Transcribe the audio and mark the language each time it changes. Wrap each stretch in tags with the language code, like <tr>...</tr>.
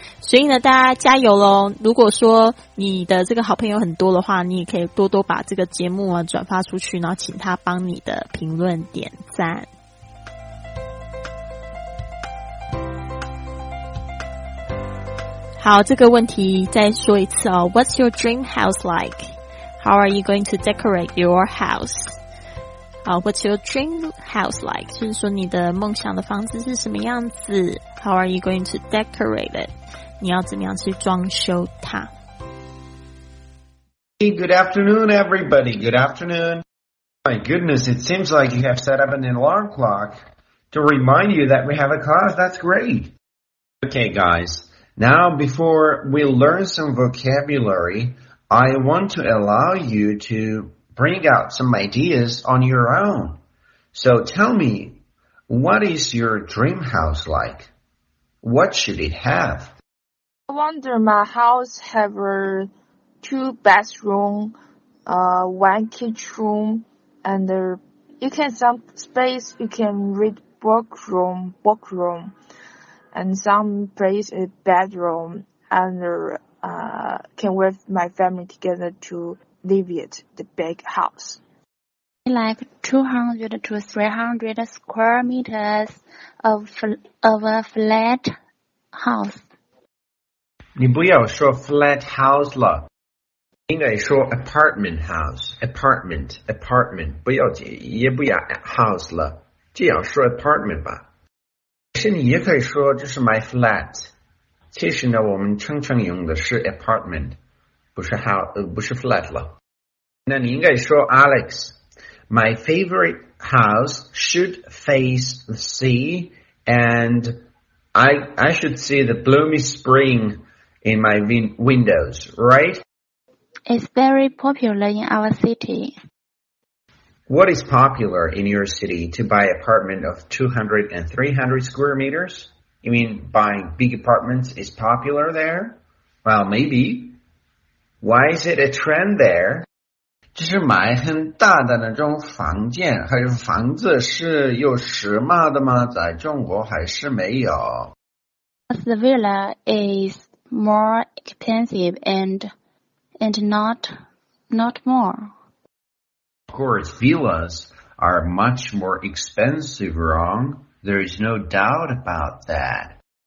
<zh>所以呢大家加油咯，如果说你的这个好朋友很多的话，你也可以多多把这个节目啊转发出去，然后请他帮你的评论点赞。好，这个问题再说一次哦。</zh> <en>What's your dream house like? How are you going to decorate your house? 好 ，What's your dream house like?</en> <zh>就是说你的梦想的房子是什么样子 ？</zh> <en>How are you going to decorate it?</en> <zh>你要怎么样去装修它</zh> <en>？Hey, good afternoon, everybody. Good afternoon. My goodness, it seems like you have set up an alarm clock to remind you that we have a class. That's great. Okay, guys. Now, before we learn some vocabulary, I want to allow you to bring out some ideas on your own. So tell me, what is your dream house like? What should it have? I wonder my house have a two bedroom, one kitchen room, and you can some space, you can read book room. And some place a bedroom and can with my family together to live it, the big house. Like 200 to 300 square meters of a flat house.</en> <zh>你不要说 flat house 了，应该说 apartment house, apartment, 不要也不要 house 了，就要说 apartment 吧。其实你也可以说就是</zh> <en>my flat，</en> <zh>其实呢我们常常用的是 apartment， 不是 flat 了。那你应该说</zh> <en>Alex， my favorite house should face the sea and I should see the bloomy spring in my windows, right? It's very popular in our city. What is popular in your city to buy an apartment of 200 and 300 square meters? You mean buying big apartments is popular there? Well, maybe. Why is it a trend there?</en> <zh>就是买很大的那种房间还是房子是有时髦的吗？在中国还是没有。</zh> <en>The villa is more expensive and not more. Of course, villas are much more expensive, wrong? There is no doubt about that.</en>